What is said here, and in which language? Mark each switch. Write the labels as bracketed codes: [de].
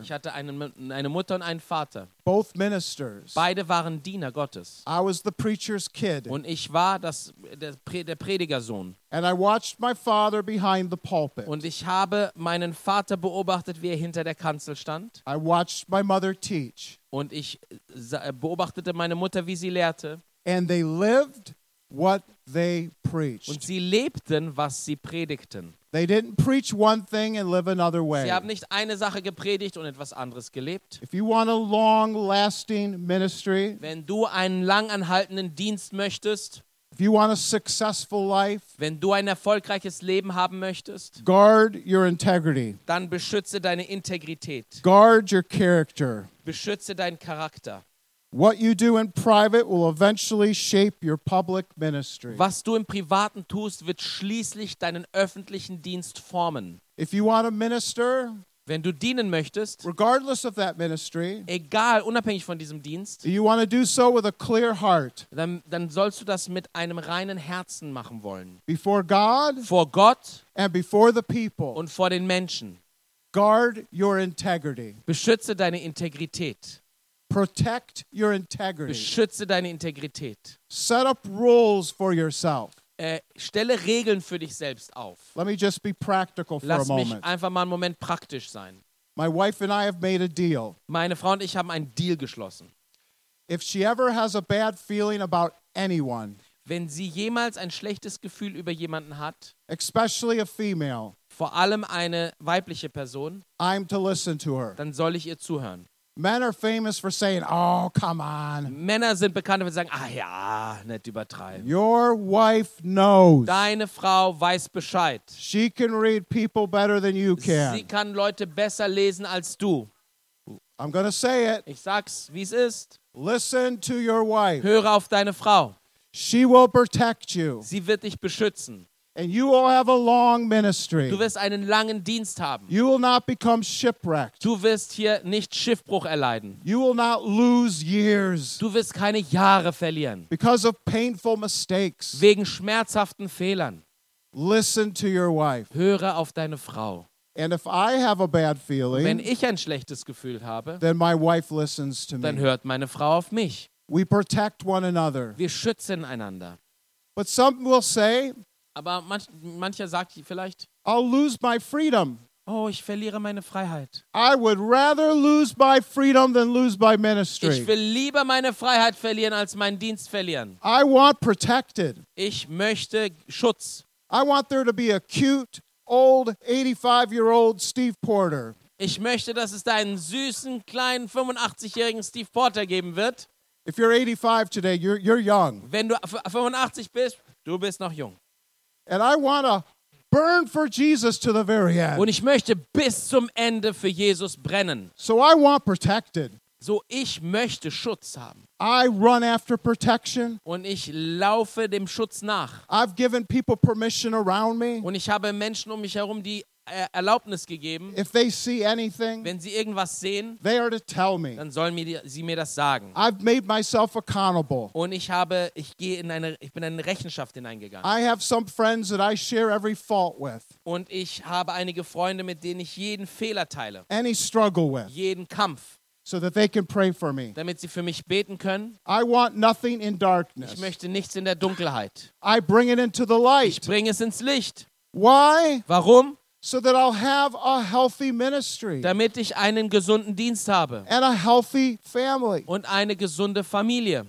[de] Ich hatte eine Mutter und einen Vater. [en] Both ministers. [de] Beide waren Diener Gottes. [en] I was the preacher's kid. [de] Und ich war der Predigersohn. [en] And I watched my father behind the pulpit. [de] Und ich habe meinen Vater beobachtet, wie er hinter der Kanzel stand. [en] I watched my mother teach. [de] Und ich beobachtete meine Mutter, wie sie lehrte. [en] And they lived what they preached. [de] Und sie lebten, was sie predigten. [en] They didn't preach one thing and live another way. [de] Sie haben nicht eine Sache gepredigt und etwas anderes gelebt. [en] If you want a long-lasting ministry, [de] wenn du einen langanhaltenden Dienst möchtest, [en] if you want a successful life, [de] wenn du ein erfolgreiches Leben haben möchtest, [en] guard your integrity. [de] Dann beschütze deine Integrität. [en] Guard your character. [de] Beschütze deinen Charakter. [en] What you do in private will eventually shape your public ministry. [de] Was du im Privaten tust, wird schließlich deinen öffentlichen Dienst formen. [en] If you want to minister, [de] wenn du dienen möchtest, [en] regardless of that ministry, [de] egal, unabhängig von diesem Dienst, [en] you want to do so with a clear heart, [de] dann sollst du das mit einem reinen Herzen machen wollen. [en] Before God, [de] vor Gott, [en] and before the people, [de] und vor den Menschen. [en] Guard your integrity. [de] Beschütze deine Integrität. [en] Protect your integrity. [de] Beschütze deine Integrität. [en] Set up rules for yourself. [de] Stelle Regeln für dich selbst auf. [en] Let me just be practical for a moment. [de] Lass mich einfach mal einen Moment praktisch sein. [en] My wife and I have made a deal. [de] Meine Frau und ich haben einen Deal geschlossen. [en] If she ever has a bad feeling about anyone, [de] wenn sie jemals ein schlechtes Gefühl über jemanden hat, [en] especially a female, [de] vor allem eine weibliche Person, [en] I'm to listen to her. [de] Dann soll ich ihr zuhören. [en] Men are famous for saying, "Oh, come on." [de] Männer sind bekannt dafür, sagen, ah ja, nicht übertreiben. [en] Your wife knows. [de] Deine Frau weiß Bescheid. [en] She can read people better than you can. [de] Sie kann Leute besser lesen als du. [en] I'm gonna say it. [de] Ich sag's, wie es ist. [en] Listen to your wife. [de] Höre auf deine Frau. [en] She will protect you. [de] Sie wird dich beschützen. [en] And you will have a long ministry. [de] Du wirst einen langen Dienst haben. [en] You will not become shipwrecked. [de] Du wirst hier nicht Schiffbruch erleiden. [en] You will not lose years. [de] Du wirst keine Jahre verlieren. [en] Because of painful mistakes. [de] Wegen schmerzhaften Fehlern. [en] Listen to your wife. [de] Höre auf deine Frau. [en] And if I have a bad feeling, [de] wenn ich ein schlechtes Gefühl habe, [en] then my wife listens to me. [de] Dann hört meine Frau auf mich. [en] We protect one another. [de] Wir schützen einander. [en] But some will say, [de] aber mancher sagt vielleicht, [en] I'll lose my freedom. [de] Oh, ich verliere meine Freiheit. [en] I would rather lose my freedom than lose my ministry. [de] Ich will lieber meine Freiheit verlieren als meinen Dienst verlieren. [en] I want protected. [de] Ich möchte Schutz. [en] I want there to be a cute old 85-year-old Steve Porter. [de] Ich möchte, dass es da einen süßen kleinen 85-jährigen Steve Porter geben wird. [en] If you're 85 today, you're young. [de] Wenn du 85 bist, du bist noch jung. [en] And I want to burn for Jesus to the very end. [de] Und ich möchte bis zum Ende für Jesus brennen. [en] So I want protected. [de] So ich möchte Schutz haben. [en] I run after protection. [de] Und ich laufe dem Schutz nach. [en] I've given people permission around me. [de] Und ich habe Menschen um mich herum, die Erlaubnis gegeben. [en] If they see anything, [de] wenn sie irgendwas sehen, [en] they are to tell me. [de] Dann sollen sie mir das sagen. [en] I've made myself accountable. [de] Und ich bin in eine Rechenschaft hineingegangen. [en] I have some friends that I share every fault with. [de] Und ich habe einige Freunde, mit denen ich jeden Fehler teile. [en] Any struggle with. [de] Jeden Kampf. [en] so that they can pray for me. [de] Damit sie für mich beten können. [en] I want nothing in darkness. [de] Ich möchte nichts in der Dunkelheit. [en] I bring it into the light. [de] Ich bringe es ins Licht. [en] Why? [de] Warum? [en] So that I'll have a healthy ministry. [de] Damit ich einen gesunden Dienst habe. [en] And a healthy family. [de] Und eine gesunde Familie.